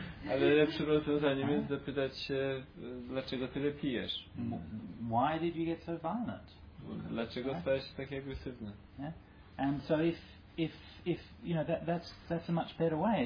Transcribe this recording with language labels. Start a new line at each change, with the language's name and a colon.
Polish: ale lepsze rozwiązanie jest zapytać się, dlaczego tyle pijesz?
English: Why did you get so violent?
Polish: Dlaczego stałeś się taki agresywny?
English: Yeah? And so if you know that's a much better way.